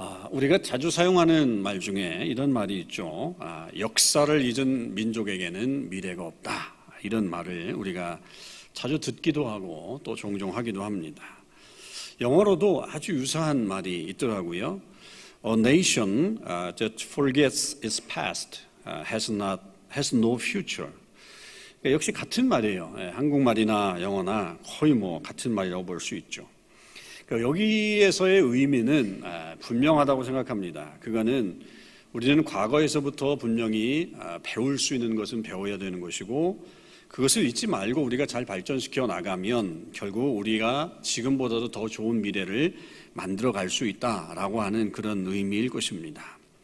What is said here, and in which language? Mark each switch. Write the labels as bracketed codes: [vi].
[ko] 우리가 자주 사용하는 말 중에 이런 말이 있죠. 역사를 잊은 민족에게는 미래가 없다. 이런 말을 우리가 자주 듣기도 하고 또 종종 하기도 합니다. 영어로도 아주 유사한 말이 있더라고요. [en] A nation that forgets its past has no future. [ko] 그러니까 역시 같은 말이에요. 한국말이나 영어나 거의 뭐 같은 말이라고 볼 수 있죠. 그러니까 여기에서의 의미는 분명하다고 생각합니다. 그거는 우리는 과거에서부터 분명히 배울 수 있는 것은 배워야 되는 것이고 그것을 잊지 말고 우리가 잘 발전시켜 나가면 결국 우리가 지금보다도 더 좋은 미래를 만들어갈 수 있다라고 하는 그런 의미일 것입니다.